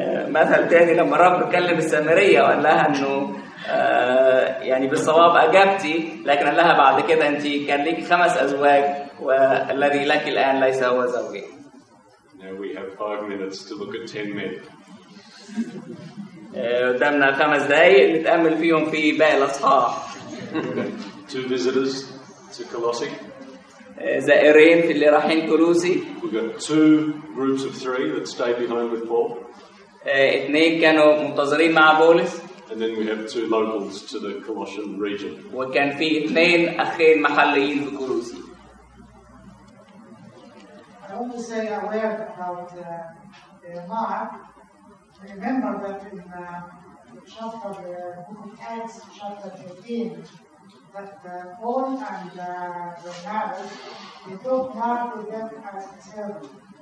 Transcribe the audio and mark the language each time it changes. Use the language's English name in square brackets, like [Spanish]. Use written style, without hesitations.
[Arabic] مثل تاني لما رب بكلم السامرية وقال لها انه يعني بالصواب اجابتي، لكن قال لها بعد كده انت كان لك خمس ازواج والذي لك الان ليس هو زوجي. [English] Now we have 5 minutes to look at 10 men. [Arabic] قدامنا خمس دقايق نتأمل فيهم في باقي الأصحاح. [English] Two visitors to Colossae. [Arabic] زائرين في اللي رايحين كولوسي. [English] We've got two groups of three that stayed behind with Paul. [Arabic] اثنين كانوا منتظرين مع بولس. [English] And then we have two locals to the Colossian region. [Arabic] وكان في اثنين أخين محليين في كولوسي. [English] I want to say a word about Mark. Remember that in book of Acts, chapter 15, that Paul and Barnabas, they took Mark to them as a servant.